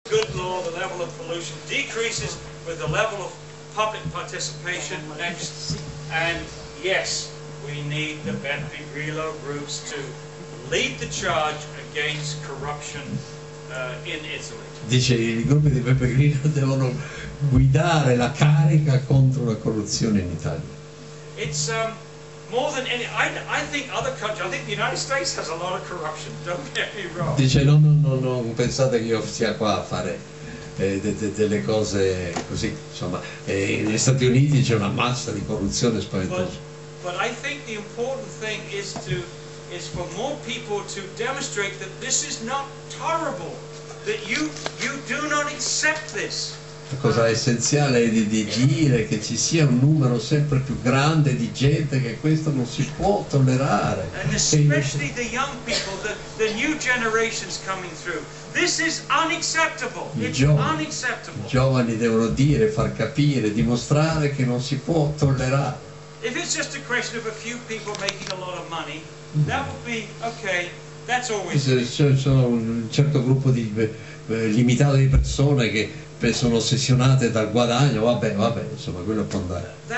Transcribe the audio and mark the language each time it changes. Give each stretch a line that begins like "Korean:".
English: good law, the level of pollution decreases with the level of public participation. Next. And yes, we need the Bentley Relo groups to lead the charge against corruption in Italy.
Italian: Dice, i gruppi di Beppe Grillo devono guidare la carica contro la corruzione in Italia.
English: It's more than any, I think other countries, I think the United States has a lot of corruption, don't get me wrong.
Italian: Dice, no, pensate che io sia qua a fare delle cose così, insomma, negli Stati Uniti c'è una massa di corruzione spaventosa.
English: But I think the important thing is for more people to demonstrate that this is not tolerable, that you do not accept this.
Italian: La cosa essenziale è di dire che ci sia un numero sempre più grande di gente che questo non si può tollerare.
English: And especially the young people, the new generations coming through. This is unacceptable.
Italian: I giovani devono dire, far capire, dimostrare che non si può tollerare.
English: If it's just a question of a few people making a lot of money, that would be okay. That's always.
Italian: Sono un certo gruppo di limitato di persone che sono ossessionate dal guadagno, vabbè, insomma, quello può andare.